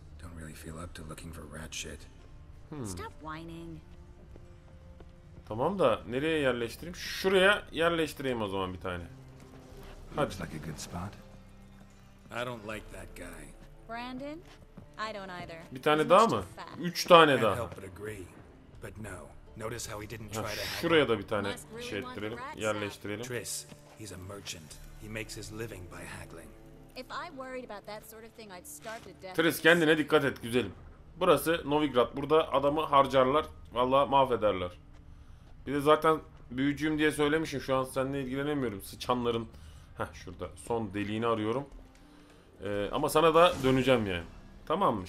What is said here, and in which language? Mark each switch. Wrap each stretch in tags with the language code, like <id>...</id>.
<en>Don't really feel up to looking for rat shit. Stop whining.</en> <tr>Tamam da nereye yerleştireyim? Şuraya yerleştireyim o zaman bir tane.</tr> <en>Looks like a good spot. I don't like that guy. Brandon? I don't either.</en> <tr>Bir tane daha mı? Üç tane daha.</tr> <en>But no. Notice how he didn't try to hide.</en> <tr>Şuraya da bir tane şey ettirelim, yerleştirelim.</tr> <en>Triss, he's a merchant. He makes his living by haggling. If I worried about that sort of thing, I'd starve to death.</en> <tr>Triss, kendine dikkat et güzelim. Burası Novigrad. Burada adamı harcarlar, vallahi mahvederler. Bir de zaten büyücüyüm diye söylemişim. Şu an seninle ilgilenemiyorum. Sıçanların şurada son deliğini arıyorum. Ama sana da döneceğim yani. Tamam mı?</tr>